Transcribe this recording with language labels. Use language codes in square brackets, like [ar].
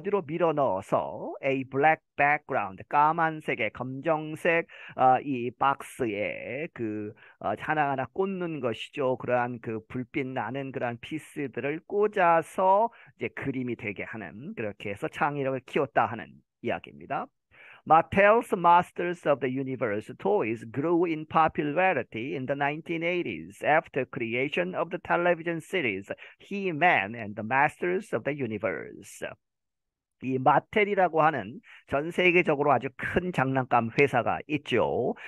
[ko] 어디로 밀어넣어서 [en] a black background [ko] 까만색의 검정색 이 박스에 그 하나하나 꽂는 것이죠. 그러한 그 불빛 나는 그러한 피스들을 꽂아서 이제 그림이 되게 하는 그렇게 해서 창의력을 키웠다 하는 이야기입니다. [en] Mattel's Masters of the Universe toys grew in popularity in the 1980s after creation of the television series He-Man and the Masters of the Universe. [ko] 이 마텔이라고 하는 전 세계적으로 아주 큰 장난감 회사가 있죠.